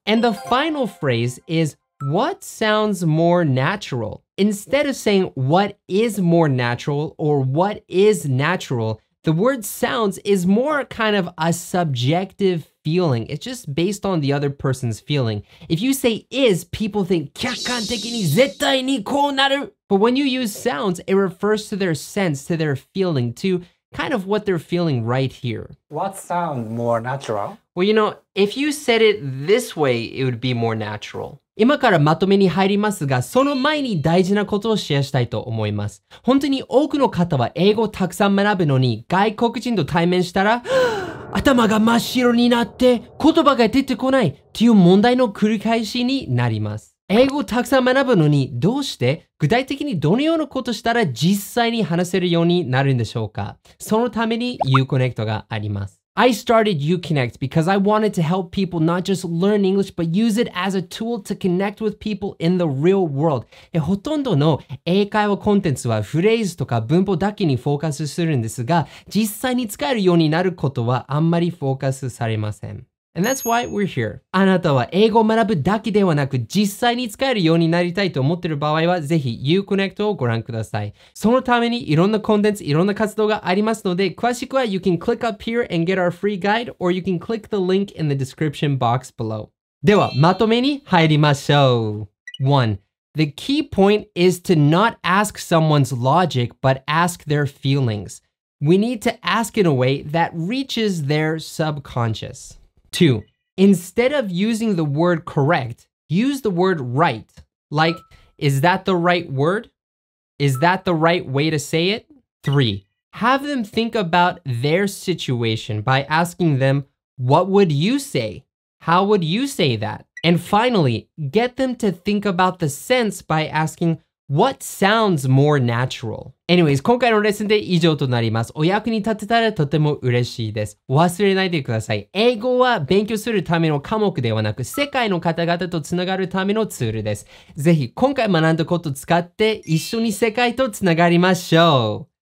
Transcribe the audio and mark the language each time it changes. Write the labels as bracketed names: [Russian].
[English] And the final phrase is what sounds more natural? Instead of saying what is more natural or what is natural, the word sounds is more kind of a subjective feeling. Feeling. It's just based on the other person's feeling. If you say is, people think [Japanese] 客観的に絶対にこうなる [English] But when you use sounds, it refers to their sense, to their feeling, to kind of what they're feeling right here. What sounds more natural? Well, you know, if you said it this way, it would be more natural. [Japanese] 今からまとめに入りますが、その前に大事なことをシェアしたいと思います。本当に多くの方は英語をたくさん学ぶのに、外国人と対面したら頭が真っ白になって言葉が出てこないという問題の繰り返しになります。英語をたくさん学ぶのにどうして具体的にどのようなことしたら実際に話せるようになるんでしょうか。そのために IU-Connect があります。 [English] I started IU-Connect because I wanted to help people not just learn English, but use it as a tool to connect with people in the real world. [Japanese] ほとんどの英会話コンテンツはフレーズとか文法だけにフォーカスするんですが、実際に使えるようになることはあんまりフォーカスされません。 [English] And that's why we're here. [Japanese] あなたは英語を学ぶだけではなく実際に使えるようになりたいと思っている場合はぜひ IU-Connect をご覧ください。そのためにいろんなコンテンツ、いろんな活動がありますので、詳しくは [English] You can click up here and get our free guide or you can click the link in the description box below. [Japanese] ではまとめに入りましょう。 1. [English] The key point is to not ask someone's logic but ask their feelings. We need to ask in a way that reaches their subconscious. 2. Instead of using the word correct, use the word right. Like, is that the right word? Is that the right way to say it? 3. Have them think about their situation by asking them, what would you say? How would you say that? And finally, get them to think about the sense by asking,What sounds more natural? [Japanese] Anyways, 今回のレッスンで以上となります。お役に立てたらとても嬉しいです。忘れないでください。英語は勉強するための科目ではなく、世界の方々とつながるためのツールです。ぜひ今回学んだことを使って一緒に世界とつながりましょう。